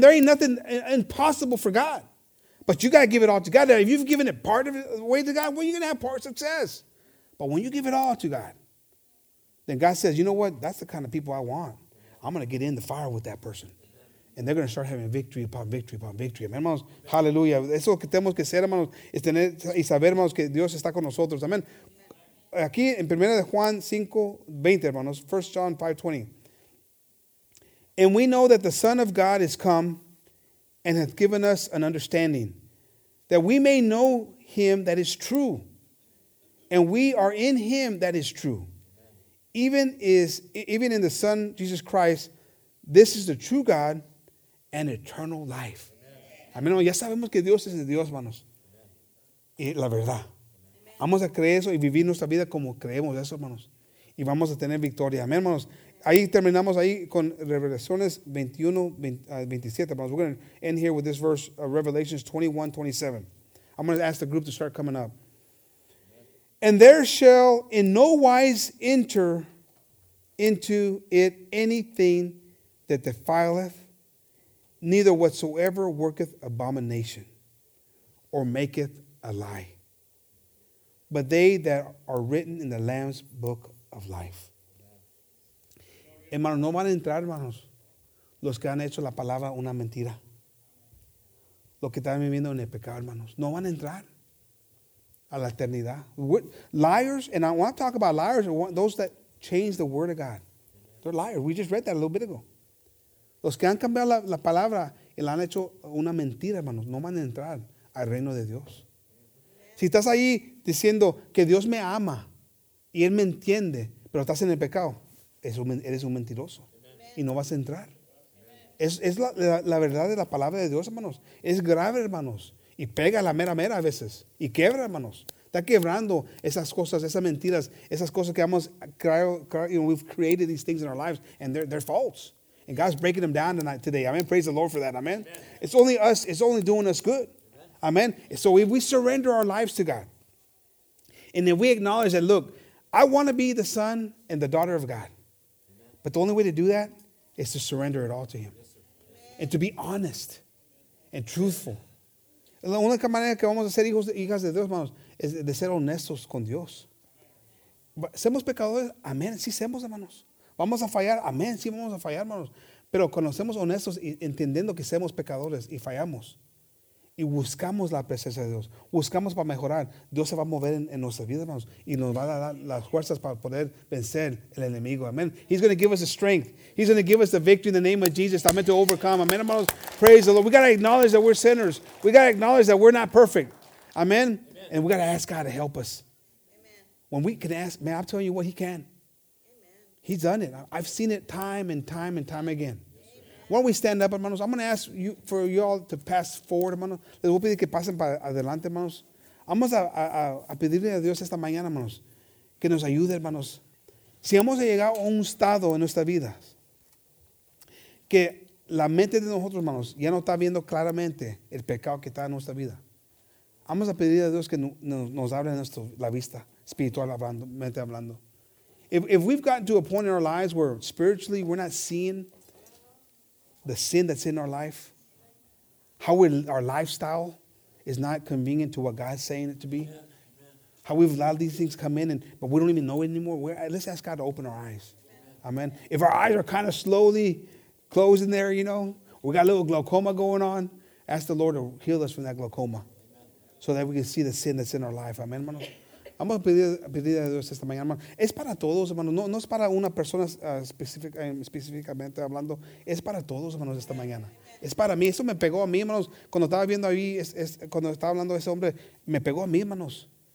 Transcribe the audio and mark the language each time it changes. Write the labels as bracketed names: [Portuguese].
[English] There ain't nothing impossible for God. But you got to give it all to God. Now, if you've given it part of the way to God, well, you're going to have part success. But when you give it all to God, then God says, you know what? That's the kind of people I want. I'm going to get in the fire with that person. And they're going to start having victory upon victory upon victory. Amen, hermanos. Hallelujah. [Spanish] Eso que tenemos que hacer, hermanos, es tener y saber, hermanos, que Dios está con nosotros. Amen. Aquí en 1 Juan 5:20, hermanos, [English] 1 John 5:20. And we know that the Son of God is come and hath given us an understanding, that we may know him that is true. And we are in him that is true. Even in the Son, Jesus Christ, this is the true God and eternal life. [Spanish] Amén. Ya sabemos que Dios es de Dios, hermanos. Y la verdad. Vamos a creer eso y vivir nuestra vida como creemos eso, hermanos. Y vamos a tener victoria. Amén, hermanos. Ahí terminamos ahí con Revelaciones 21-27. [English] We're going to end here with this verse, Revelations 21-27. I'm going to ask the group to start coming up. And there shall in no wise enter into it anything that defileth, neither whatsoever worketh abomination or maketh a lie, but they that are written in the Lamb's book of life. [Spanish] Hermanos, no van a entrar, hermanos, los que han hecho la palabra una mentira. Los que están viviendo en el pecado, hermanos. No van a entrar a la eternidad. [English] Liars, and I want to talk about liars, those that change the word of God. They're liars. We just read that a little bit ago. [Spanish] Los que han cambiado la palabra y la han hecho una mentira, hermanos, no van a entrar al reino de Dios. Si estás ahí diciendo que Dios me ama y Él me entiende, pero estás en el pecado, eres un mentiroso. Amen. Y no vas a entrar. Amen. Es la verdad de la palabra de Dios, hermanos. Es grave, hermanos. Y pega la mera a veces. Y quebra, hermanos. Está quebrando esas cosas, esas mentiras, esas cosas que hemos [English] we've created these things in our lives, and they're false. And God's breaking them down tonight, today. Amen. Praise the Lord for that. Amen. Amen. It's only us. It's only doing us good. Amen. Amen. So if we surrender our lives to God, and then we acknowledge that, look, I want to be the son and the daughter of God. Amen. But the only way to do that is to surrender it all to Him. Yes, and to be honest and truthful. [Spanish] La única manera que vamos a ser hijos, hijas de Dios, hermanos, es de ser honestos con Dios. ¿Somos pecadores? Amén. Sí, somos, hermanos. ¿Vamos a fallar? Amén. Sí, vamos a fallar, hermanos. Pero cuando somos honestos y entendiendo que somos pecadores y fallamos, y buscamos la presencia de Dios, buscamos para mejorar, Dios se va a mover en nuestra vida, hermanos, y nos va a dar las fuerzas para poder vencer el enemigo. [English] Amén. He's going to give us the strength. He's going to give us the victory in the name of Jesus. I'm meant to overcome. Amén, hermanos. Praise the Lord. We got to acknowledge that we're sinners. We got to acknowledge that we're not perfect. Amén. And we got to ask God to help us. Amen. When we can ask, man, I'm telling you what, He can. Amen. He's done it. I've seen it time and time and time again. Amen. Why don't we stand up, hermanos? I'm going to ask you for you all to pass forward, hermanos. [Spanish] Les voy a pedir que pasen para adelante, hermanos. Vamos a pedirle a Dios esta mañana, hermanos, que nos ayude, hermanos. Si hemos llegado a un estado en nuestra vida que la mente de nosotros, hermanos, ya no está viendo claramente el pecado que está en nuestra vida, vamos a pedir a Dios que nos abra nuestro, la vista, espiritual hablando, mente hablando. [English] If we've gotten to a point in our lives where spiritually we're not seeing the sin that's in our life, how our lifestyle is not convenient to what God's saying it to be, amen. How we've allowed these things come in, but we don't even know it anymore, let's ask God to open our eyes. Amen. Amen. If our eyes are kind of slowly closing there, you know, we got a little glaucoma going on, ask the Lord to heal us from that glaucoma. So that we can see the sin that's in our life. [Spanish] Amen, hermanos. Vamos a pedir a Dios esta mañana, hermanos. Es para todos, hermanos. No es para una persona específicamente hablando. Es para todos, hermanos, esta mañana. Es para mí. Eso me pegó a mí, hermanos. Cuando estaba viendo ahí, cuando estaba hablando de ese hombre, me pegó a mí, hermanos.